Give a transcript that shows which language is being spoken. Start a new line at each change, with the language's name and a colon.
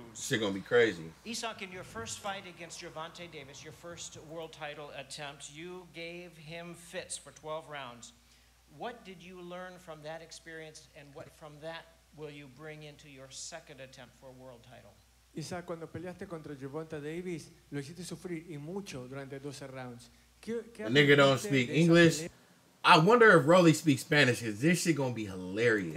English: This shit gonna be crazy. Isak, in your first fight against Gervonta Davis, your first world title attempt, you gave him fits for 12 rounds. What did you learn from that experience, and what from that will you bring into your second attempt for a world title?
Spanish: Isak, cuando peleaste contra Gervonta Davis, lo hiciste sufrir y mucho durante 12 rounds.
English: The nigga don't speak English. I wonder if Rolly speaks Spanish, because this shit gonna be hilarious.